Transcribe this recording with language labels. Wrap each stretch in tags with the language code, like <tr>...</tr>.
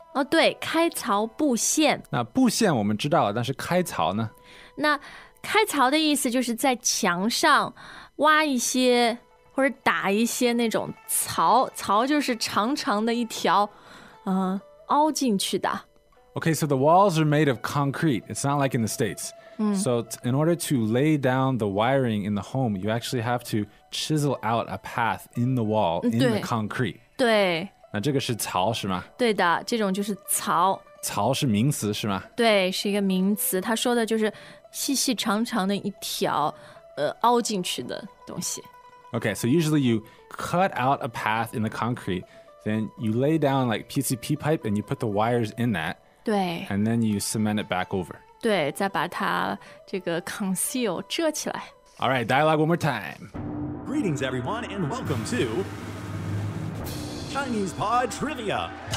<zh>哦，对，开槽布线。那布线我们知道了，但是开槽呢？那开槽的意思就是在墙上挖一些或者打一些那种槽，槽就是长长的一条、凹进去的。</zh> <en>OK, so the walls are made of concrete. It's not like in the States、So in order to lay down the wiring in the home, you actually have to chisel out a path in the wall in the concrete.</en> <zh>对，那这个是槽是吗？对的，这种就是槽。槽是名词是吗？对，是一个名词，他说的就是细细长长的一条凹进去的东西。</zh> <en>OK, so usually you cut out a path in the concrete, then you lay down like PCP pipe and you put the wires in that.</en> <zh>对。</zh> <en>And then you cement it back over.</en> <zh>对，再把它这个 conceal 遮起来。</zh> <en>All right, dialogue one more time. Greetings everyone and welcome to Chinese Pod Trivia.</en>